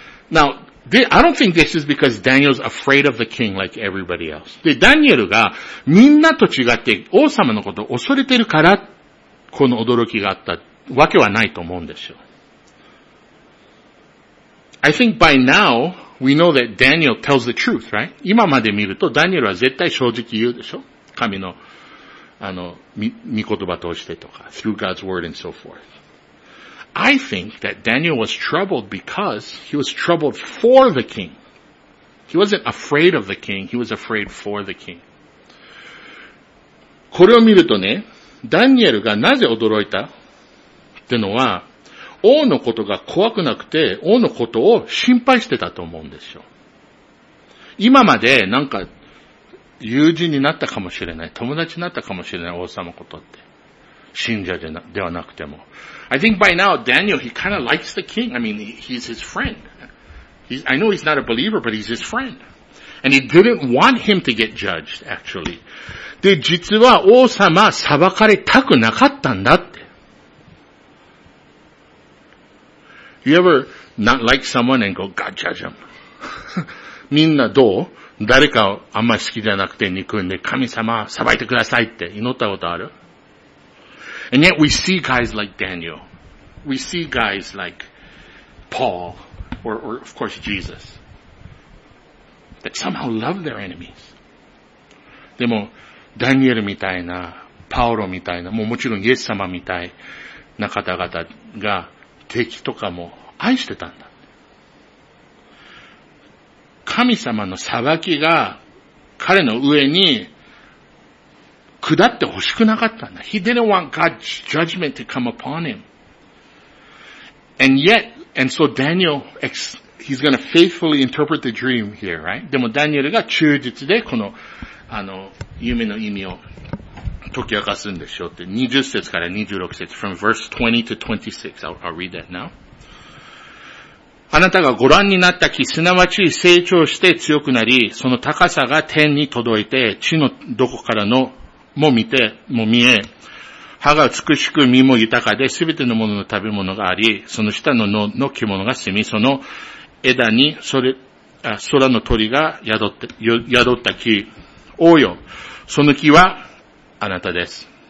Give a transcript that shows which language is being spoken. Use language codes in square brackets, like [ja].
[en] ?Now, I don't think this is because Daniel's afraid of the king like everybody else. [ja] で、ダニエルがみんなと違って王様のことを恐れてるから、この驚きがあった。わけはないと思うんですよ。 [en] I think by now, we know that Daniel tells the truth, right? [ja] 今まで見ると、ダニエルは絶対正直言うでしょ神の、御言葉通してとか、 [en] through God's word and so forth. I think that Daniel was troubled because he was troubled for the king. He wasn't afraid of the king, he was afraid for the king. [ja] これを見るとね、ダニエルがなぜ驚いたってのは、王のことが怖くなくて、王のことを心配してたと思うんですよ。今までなんか友人になったかもしれない、友達になったかもしれない王様ことって。信者ではなくても。 [en] I think by now, Daniel, he kind of likes the king. I mean, he's his friend. He I know he's not a believer, but he's his friend. And he didn't want him to get judged, actually. [ja] で、実は王様裁かれたくなかったんだって。 [en] You ever not like someone and go, God judge him? [ja] みんなどう? 誰かあんま好きじゃなくて憎んで神様裁いてくださいって祈ったことある? [en] And yet we see guys like Daniel. We see guys like Paul or of course Jesus that somehow love their enemies. [ja] でも、ダニエルみたいな、パウロみたいな、もうもちろんイエス様みたいな方々が敵とかも愛してたんだ。神様の裁きが彼の上に下ってほしくなかったんだ。 [en] He didn't want God's judgment to come upon him. And yet, and so Daniel, he's going to faithfully interpret the dream here, right? [ja] でもダニエルが忠実でこの、夢の意味を解き明かすんでしょうって。 20節から26節。 [en] From verse 20 to 26. I'll read that now. [ja] あなたがご覧になった木、すなわち成長して強くなり、その高さが天に届いて、地のどこからのも見て、も見え、葉が美しく実も豊かで、すべてのものの食べ物があり、その下の野の獣が住み、その枝にそれ、空の鳥が宿った木、王よ、その木はあなたです。